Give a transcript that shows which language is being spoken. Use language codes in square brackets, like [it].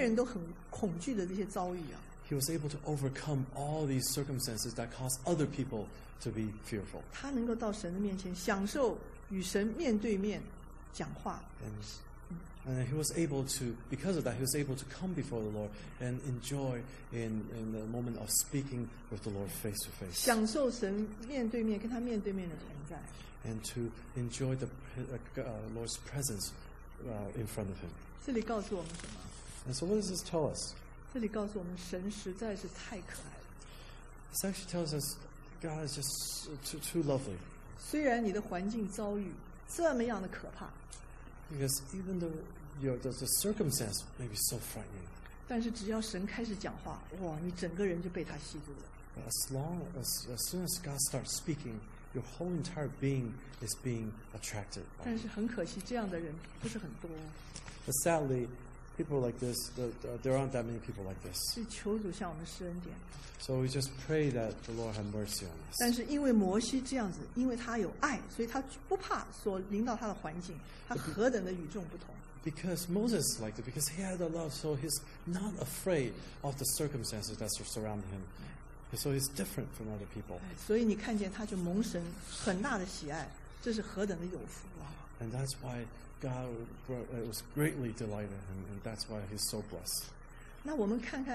[zh] 所以他能够胜过这一切令每一个人都很恐惧的这些遭遇啊。 [en] He was able to overcome all these circumstances that caused other people to be fearful. [zh] 他能够到神的面前享受与神面对面讲话。 [en] And he was able to, because of that, he was able to come before the Lord and enjoy in the moment of speaking with the Lord face to face. [zh] 享受神面对面跟他面对面的存在。 [en] And to enjoy the Lord's presence in front of him. [zh] 这里告诉我们什么? [en] And so what does this tell us? [zh] 这里告诉我们神实在是太可爱了。 [en] This actually tells us God is just too lovely. [zh] 虽然你的环境遭遇这么样的可怕。 [en] Because even though the circumstance may be so frightening. [zh] 但是只要神开始讲话, 哇,你整个人就被他吸住了。 [en] As soon as God starts speaking, your whole entire being is being attracted. [zh] 但是很可惜,这样的人不是很多。But [en] sadly, people like this, there aren't that many people like this. [zh] 求主向我们施恩典。So [en] we just pray that the Lord have mercy on us. [zh] 但是因为摩西这样子, 因为他有爱, 所以他不怕所临到他的环境, 他何等的与众不同。 [en] Because Moses liked it, because he had the love, so he's not afraid of the circumstances that surround him. So he's different from other people. [zh] 所以你看见他就蒙神很大的喜爱，这是何等的有福啊！ [en] And that's why God was greatly delighted, and that's why he's so blessed.